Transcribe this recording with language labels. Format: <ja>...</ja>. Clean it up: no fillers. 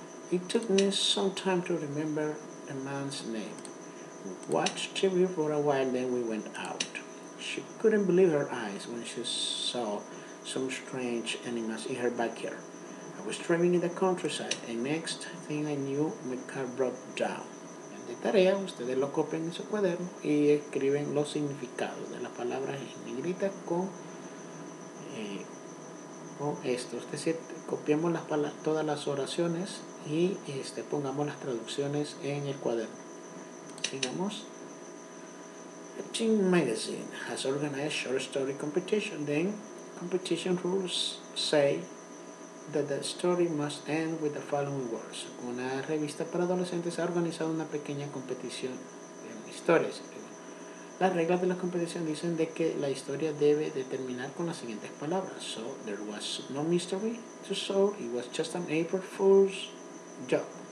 <en>It took me some time to remember the man's name. We watched TV for a while, then we went out. She couldn't believe her eyes when she saw some strange animals in her backyard. I was driving in the countryside, and next thing I knew, my car broke down.</en> <es>En la tarea, ustedes lo copian en su cuaderno y escriben los significados de las palabras en negrita con esto. Es decir, copiamos todas las oraciones y pongamos las traducciones en el cuaderno.</es> <en>Sigamos. Teen Magazine has organized short story competition. Then, competition rules say that the story must end with the following words.</en> <es>Una revista para adolescentes ha organizado una pequeña competición de historias. Las reglas de la competición dicen de que la historia debe terminar con las siguientes palabras.</es> <en>So, there was no mystery to solve. It was just an April Fool's joke.</en>